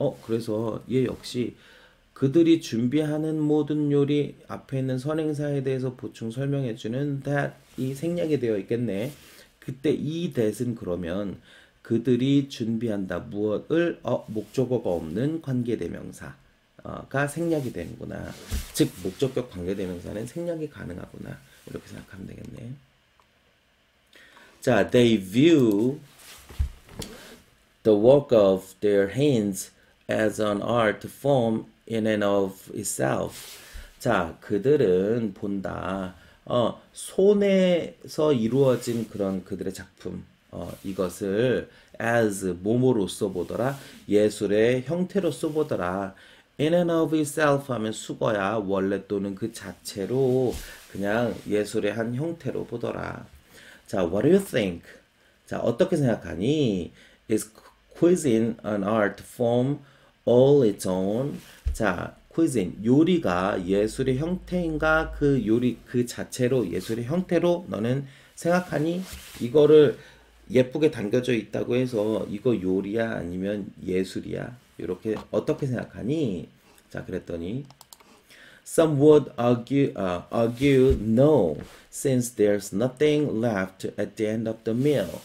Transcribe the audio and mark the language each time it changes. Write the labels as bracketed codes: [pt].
[ko] 그래서 얘 역시, 그들이 준비하는 모든 요리 앞에 있는 선행사에 대해서 보충 설명해주는 that이 생략이 되어 있겠네. 그때 이 that은 그러면, 그들이 준비한다, 무엇을, 목적어가 없는 관계대명사가 생략이 되는구나. 즉, 목적격 관계대명사는 생략이 가능하구나. 이렇게 생각하면 되겠네. [en] 자, they view the work of their hands as an art form in and of itself. [ko] 자, 그들은 본다. 손에서 이루어진 그런 그들의 작품. 이것을 as 몸으로써 보더라. 예술의 형태로써 보더라. [en] In and of itself [ko] 하면 수거야. 원래 또는 그 자체로 그냥 예술의 한 형태로 보더라. 자, [en] what do you think? [ko] 자, 어떻게 생각하니? [en] Is cuisine an art form all its own? [ko] 자, cuisine, 요리가 예술의 형태인가? 그 요리 그 자체로 예술의 형태로 너는 생각하니? 이거를 예쁘게 담겨져 있다고 해서 이거 요리야? 아니면 예술이야? 이렇게 어떻게 생각하니? [en] 자, 그랬더니 Some would argue no, since there's nothing left at the end of the meal.